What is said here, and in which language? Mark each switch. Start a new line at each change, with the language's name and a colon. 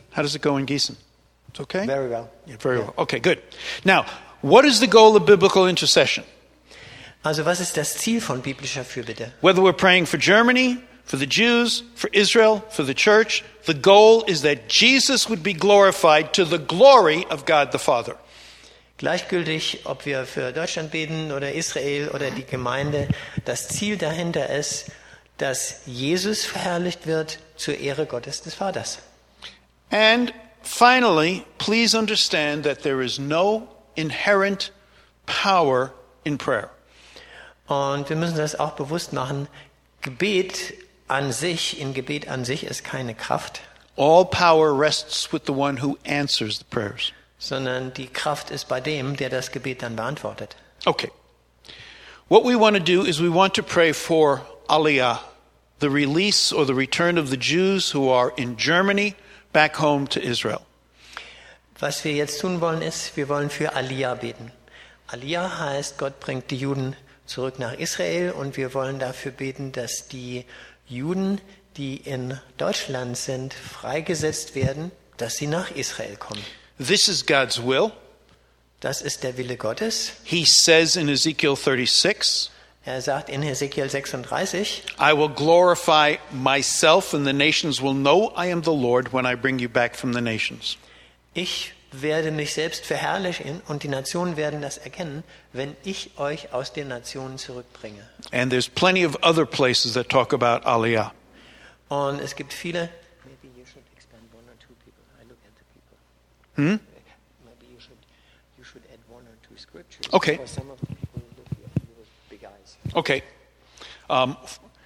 English: How does it go in Gießen? It's okay? Very well. Yeah, very well. Okay, good. Now, what is the goal of biblical intercession?
German: Also, was ist das Ziel von biblischer Fürbitte?
English: Whether we're praying for Germany, for the Jews, for Israel, for the church, the goal is that Jesus would be glorified to the glory of God the Father.
German: Gleichgültig, ob wir für Deutschland beten oder Israel oder die Gemeinde, das Ziel dahinter ist, dass Jesus verherrlicht wird zur Ehre Gottes des Vaters.
English: And finally, please understand that there is no inherent power in prayer.
German: Und wir müssen das auch bewusst machen, Gebet an sich ist keine Kraft.
English: All power rests with the one who answers the prayers.
German: Sondern die Kraft ist bei dem, der das Gebet dann beantwortet.
English: Okay. What we want to do is we want to pray for Aliyah, the release or the return of the Jews who are in Germany back home to Israel.
German: Was wir jetzt tun wollen ist, wir wollen für Aliyah beten. Aliyah heißt, Gott bringt die Juden zurück nach Israel, und wir wollen dafür beten, dass die Juden, die in Deutschland sind, freigesetzt werden, dass sie nach Israel kommen.
English: This is God's will.
German: Das ist der Wille Gottes.
English: He says in Ezekiel 36.
German: Er sagt in Ezekiel 36.
English: I will glorify myself, and the nations will know I am the Lord when I bring you back from the nations.
German: Ich werde mich selbst verherrlichen, und die Nationen werden das erkennen, wenn ich euch aus den Nationen zurückbringe.
English: And there's plenty of other places that talk about Aliyah.
German: Und es gibt viele. Hmm?
English: Maybe you should add one or two scriptures. Okay. For some of the people who live here, you have big eyes.